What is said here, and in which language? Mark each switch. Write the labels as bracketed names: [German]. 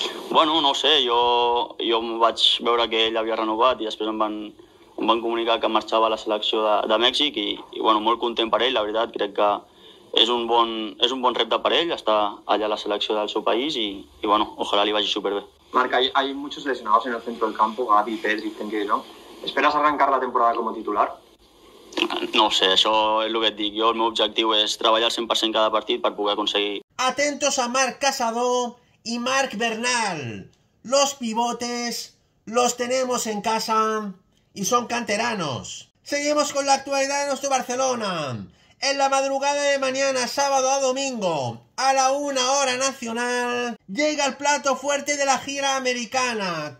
[Catalan] Bueno, no ho sé, jo vaig veure que ell havia renovat i després em van comunicar que marxava a la selecció de Mèxic i bueno, molt content per ell, la veritat, crec que és un bon repte per ell, està allà a la selecció del seu país i bueno, ojalá li vagi superbé. [Spanish] Marc, hay muchos lesionados en el centro del campo, Gavi, Pedri, Tenguy, ¿no? ¿Esperas arrancar la temporada como titular? [Catalan] No ho sé, això és el que et dic. Jo, el meu objectiu és treballar 100% cada partit per poder aconseguir... [Spanish] Atentos a Marc Casado y Marc Bernal. Los pivotes los tenemos en casa y son canteranos. Seguimos con la actualidad de nuestro Barcelona. En la madrugada de mañana, sábado a domingo, a la 1 hora nacional, llega el plato fuerte de la gira americana.